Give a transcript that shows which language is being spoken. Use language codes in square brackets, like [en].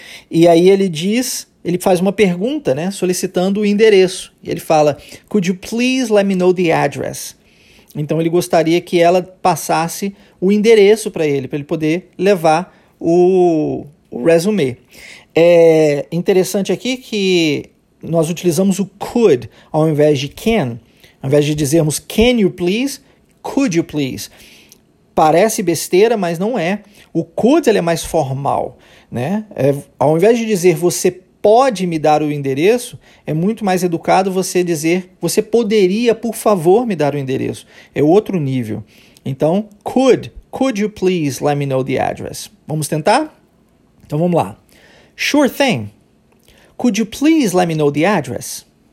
[pt] E aí ele faz uma pergunta, né, solicitando o endereço. E ele fala, [en] could you please let me know the address? [pt] Então ele gostaria que ela passasse o endereço para ele poder levar o resume. É interessante aqui que nós utilizamos o could ao invés de can. Ao invés de dizermos [en] can you please, could you please. [pt] Parece besteira, mas não é. O could, ele é mais formal, né? Ao invés de dizer você pode me dar o endereço, é muito mais educado você dizer você poderia, por favor, me dar o endereço. É outro nível. [en] Então, could you please let me know the address? [pt] Vamos tentar? Então, vamos lá. [en] Sure thing. Could you please let me know the address?